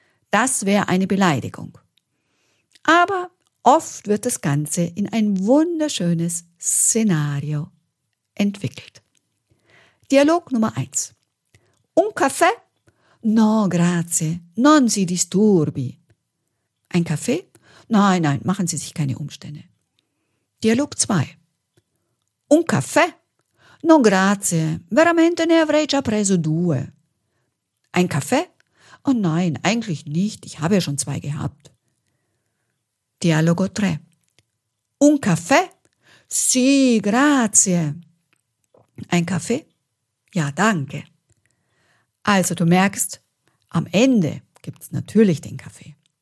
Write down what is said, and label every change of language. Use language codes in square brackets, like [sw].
[de] Das wäre eine Beleidigung. Aber oft wird das Ganze in ein wunderschönes Szenario entwickelt. Dialog Nummer [it] 1. Un caffè? No, grazie. Non si disturbi. [de] Ein Kaffee? Nein, nein, machen Sie sich keine Umstände. [it] Dialog 2. Un caffè? No, grazie. Veramente ne avrei già preso due. [de] Ein Kaffee? Oh nein, eigentlich nicht. Ich habe ja schon zwei gehabt. [it] Dialogo 3. Un caffè? Sì, grazie. [de] Ein Kaffee? Ja, danke. Also du merkst, am Ende gibt es natürlich den Kaffee.